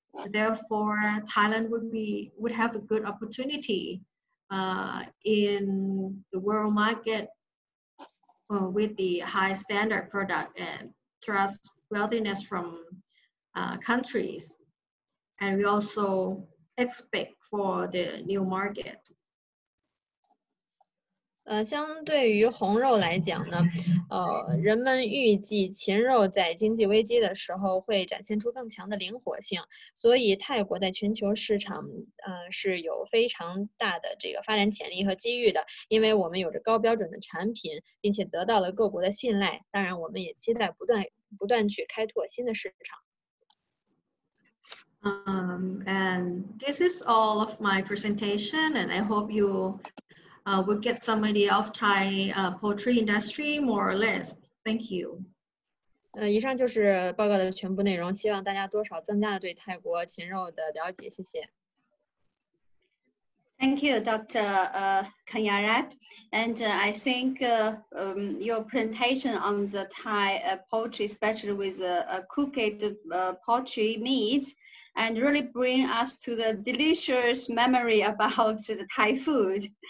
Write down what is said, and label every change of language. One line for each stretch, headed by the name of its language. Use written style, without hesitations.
English: Therefore, Thailand would have a good opportunity in the world market with the high standard product and trustworthiness from countries. And we also expect for the new market.
Chinese: 相对于红肉来讲呢，人们预计禽肉在经济危机的时候会展现出更强的灵活性，所以泰国在全球市场是有非常大的这个发展潜力和机遇的，因为我们有着高标准的产品，并且得到了各国的信赖，当然我们也期待不断去开拓新的市场。
English: And this is all of my presentation, and I hope youWe'll get some idea of Thai poultry industry more or less. Thank you.
Chinese: 以上就是报告的全部内容，希望大家多少增加了对泰国禽肉的了解，谢谢。
English: Thank you, Dr. Kanyarat. And I think your presentation on the Thai poultry, especially with cooked poultry meat, and really bring us to the delicious memory about the Thai food.